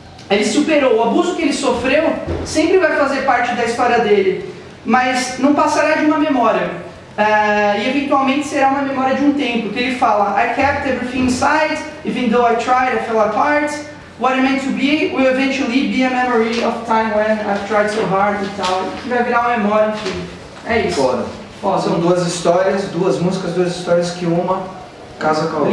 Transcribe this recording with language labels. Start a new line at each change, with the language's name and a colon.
Portuguese: Ele superou, o abuso que ele sofreu sempre vai fazer parte da história dele, mas não passará de uma memória. E eventualmente será uma memória de um tempo, que ele fala
English: I kept everything inside, even though I tried, I fell apart. What I meant to be will eventually be a memory of time when I've tried so hard
Portuguese: e tal. Que vai virar uma memória, enfim. É isso. Foda. Foda. São duas histórias, duas músicas, duas histórias que uma casa com a outra.